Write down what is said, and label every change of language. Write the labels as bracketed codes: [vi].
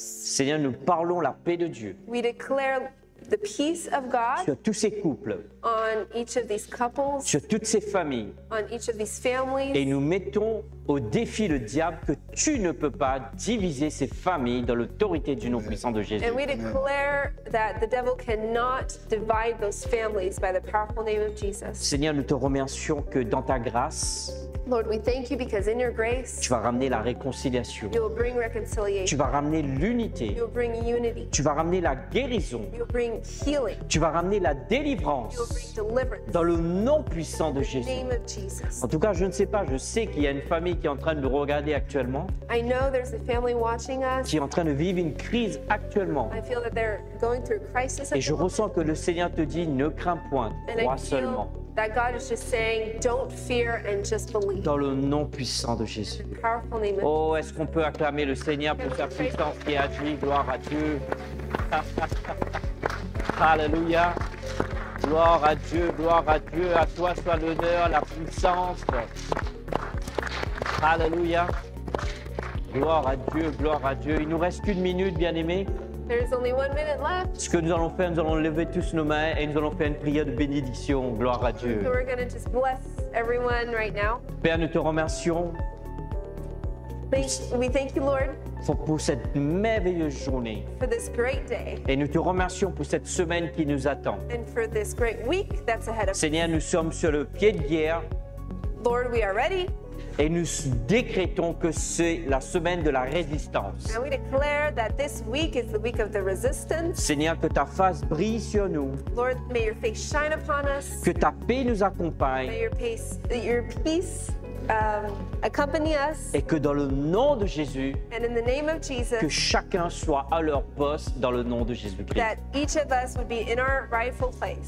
[fr] Seigneur, nous parlons la paix de Dieu. [en] We declare the peace of God [fr] sur tous ces couples, [en] on each of these couples, [fr] sur toutes ces familles, [en] on each of these families. [fr] Et nous mettons au défi le diable que tu ne peux pas diviser ces familles dans l'autorité du nom puissant de Jésus. [en] And we declare that the devil cannot divide those families by the powerful name of Jesus. [fr] Seigneur, nous te remercions que dans ta grâce, [en] Lord, we thank you because in your grace, [fr] tu vas ramener la réconciliation. [en] You will bring reconciliation. [fr] Tu vas ramener l'unité. [en] You will bring unity. [fr] Tu vas ramener la guérison. [en] You will bring healing. [fr] Tu vas ramener la délivrance. [en] You will bring deliverance. [fr] Dans le nom puissant de Jésus. [en] In the name of Jesus. [fr] En tout cas, je ne sais pas, je sais qu'il y a une famille qui est en train de nous regarder actuellement. [en] I know there's a family watching us. [fr] Qui est en train de vivre une crise actuellement. [en] I feel that they're going through a crisis at the [fr] moment. Et je ressens que le Seigneur te dit, ne crains point, crois seulement. [en] That God is just saying, don't fear and just believe. [fr] Dans le nom puissant de Jésus. [en] In the powerful name of Jesus. [fr] Oh, est-ce qu'on peut acclamer le Seigneur pour sa puissance qui agit? Gloire à Dieu. Alléluia. Gloire à Dieu, gloire à Dieu. À toi soit l'honneur, la puissance. Alléluia. Gloire à Dieu, gloire à Dieu. Il nous reste une minute, bien-aimés. [en] There is only 1 minute left. [fr] Ce que nous allons faire, nous allons lever tous nos mains et nous allons faire une prière de bénédiction. Gloire à Dieu. [en] So we're going to just bless everyone right now. [fr] Père, nous te remercions. [en] We thank you, Lord. [fr] Pour cette merveilleuse journée. [en] For this great day. [fr] Et nous te remercions pour cette semaine qui nous attend. [en] And for this great week that's ahead of us. [fr] Seigneur, nous sommes sur le pied de guerre. [en] Lord, we are ready. [fr] Et nous décrétons que c'est la semaine de la résistance. [en] And we declare that this week is the week of the resistance. [fr] Seigneur, que ta face brille sur nous. [en] Lord, may your face shine upon us. [fr] Que ta paix nous accompagne. [en] May your peace accompany us. [fr] Et que dans le nom de Jésus, [en] and in the name of Jesus, [fr] que chacun soit à leur poste dans le nom de Jésus-Christ. [en] That each of us would be in our rightful place.